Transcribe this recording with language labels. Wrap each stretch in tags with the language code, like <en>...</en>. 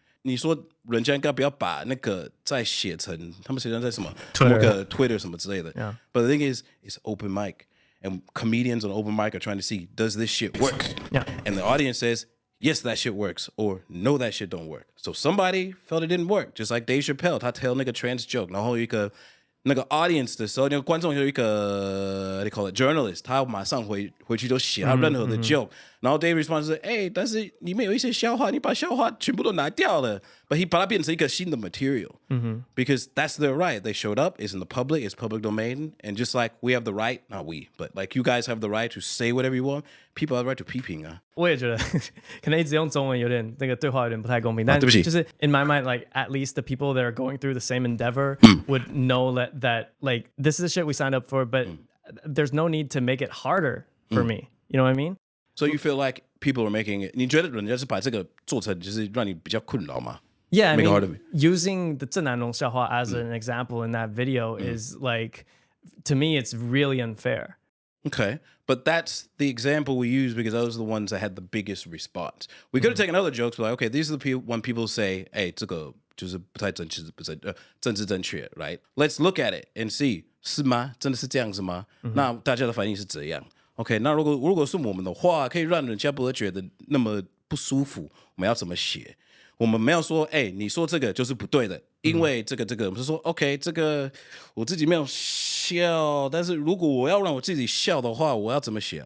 <zh>你说人家应该不要把那个再写成他们写成在什么</zh> <en>Twitter,</en> <zh>某个 Twitter 什么之类的、yeah.</zh> <en>But the thing is it's open mic and comedians on open mic are trying to see does this shit work、 yeah. And the audience says yes that shit works or no that shit don't work. So somebody felt it didn't work. Just like Dave Chappelle 他 tell 那个 trans joke</en> <zh>然后有一个那个</zh> <en>audience</en> <zh>的时候那个观众有一个</zh> <en>they call it journalist</en> <zh>他马上 回去就写他任何的</zh> <en>joke、mm-hmm.</en> <zh>然后 Dave responds 说、欸、但是里面有一些笑话你把笑话全部都拿掉了</zh> <en>but he</en> <zh>把它变成一个新的 material、 mm-hmm.</zh> <en>because that's their right they showed up it's in the public it's public domain and just like we have the right not we but like you guys have the right to say whatever you want people have the right to</en> <zh>批评啊我也觉得可能一直用中文有点那个对话有点不太公平、啊、</zh> <en>但就是 in my mind like at least the people that are going through the same endeavor would know that like this is the shit we signed up for but there's no need to make it harder for me you know what I mean so you feel like people are making it</en> <zh>你觉得人家是把这个做成就是让你比较困扰吗</zh> <en>yeah I mean using the 郑南榕笑话as an example in that video is like to me it's really unfair okay but that's the example we use because those are the ones that had the biggest response we could have taken other jokes like okay these are the people when people say hey</en> <zh>这个就是不太正确，不是政治正确</zh> <en>，right? Let's look at it and see</en> <zh>是吗？真的是这样子吗？ Mm-hmm. 那大家的反应是怎样 ？OK， 那如果是我们的话，可以让人家不会觉得那么不舒服。我们要怎么写？我们没有说，哎、欸，你说这个就是不对的，因为这个，我们是说 ，OK， 这个我自己没有笑，但是如果我要让我自己笑的话，我要怎么写？</zh>